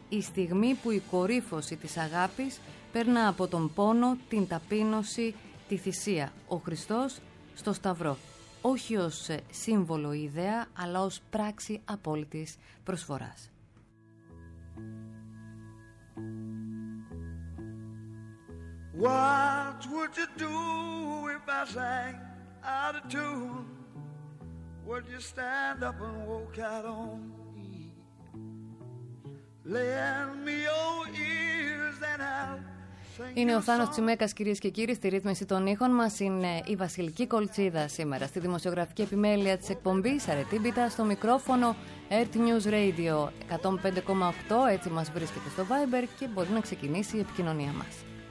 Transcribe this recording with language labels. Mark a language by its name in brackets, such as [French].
[Greek] Η στιγμή που η κορύφωση της αγάπης περνά από τον πόνο, την ταπείνωση, τη θυσία. Ο Χριστός στο Σταυρό. Όχι ως σύμβολο ή ιδέα, αλλά ως πράξη απόλυτης προσφοράς. [English] What would you do if I sang out of tune? Would you stand up and walk out on me? Lend me your ears and I'll... [Greek] Είναι ο Θάνος Τσιμέκας, κυρίες και κύριοι, στη ρύθμιση των ήχων μας. Είναι η Βασιλική Κολτσίδα σήμερα στη δημοσιογραφική επιμέλεια της εκπομπής Αρετήμπιτα, στο μικρόφωνο Earth News Radio 105,8. Έτσι μας βρίσκεται στο Viber και μπορεί να ξεκινήσει η επικοινωνία μας.